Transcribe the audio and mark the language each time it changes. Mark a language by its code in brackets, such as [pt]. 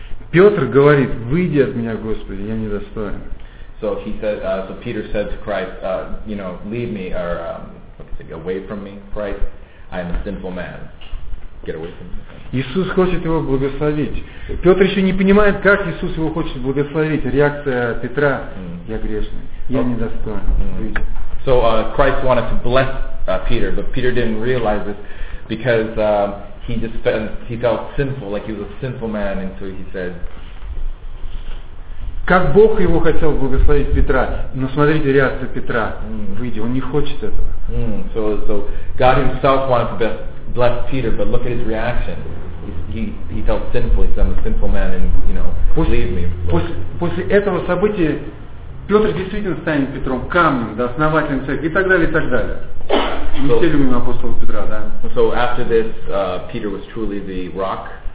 [ru] Петр говорит: «Выйди от меня, Господи, я недостоин». [en] So he said, so Peter said to Christ, you know, leave me or away from me, Christ. I am a sinful man. Get away from me. [ru] Иисус хочет его благословить. Петр еще не понимает, как Иисус его хочет благословить. Реакция Петра: «Я грешный, я недостоин». Выйди. [en] So Christ wanted to bless Peter, but Peter didn't realize this because he felt sinful, like he was a sinful man, and so he said. [ru] Как Бог его хотел благословить Петра, но смотрите реакцию Петра. Выйди, он не хочет этого. [en] So God himself wanted to bless Peter, but look at his reaction. He felt sinful. He said, I'm a sinful man, and you know, leave me. [ru] После этого события Петр действительно станет Петром камнем, да, основателем церкви и так далее, и так далее. Мы все любим апостола Петра, да. [en] So after this, Peter was truly the rock.